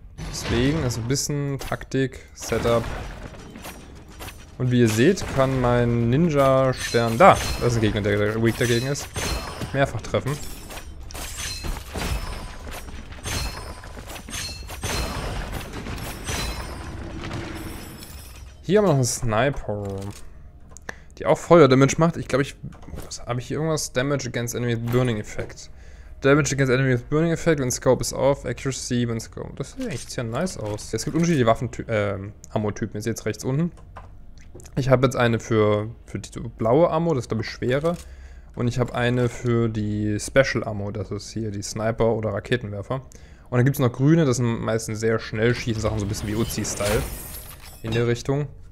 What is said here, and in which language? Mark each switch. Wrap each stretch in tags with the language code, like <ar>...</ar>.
<de>Deswegen ist ein bisschen Taktik, Setup. Und wie ihr seht, kann mein Ninja-Stern da, das ist ein Gegner, der weak dagegen ist, mehrfach treffen. Hier haben wir noch einen Sniper, die auch Feuer-Damage macht. Ich glaube, habe ich hier irgendwas?</de> <en>Damage against enemy burning effect. Damage against enemy with burning effect, when scope is off, accuracy, when scope...</en> <de>Das sieht echt sehr nice aus. Es gibt unterschiedliche Ammo-Typen, ihr seht es rechts unten. Ich habe jetzt eine für die blaue Ammo, das ist glaube ich schwere. Und ich habe eine für die Special Ammo, das ist hier die Sniper oder Raketenwerfer. Und dann gibt es noch grüne, das sind meistens sehr schnell schießen Sachen, so ein bisschen wie Uzi-Style. In der Richtung.</de>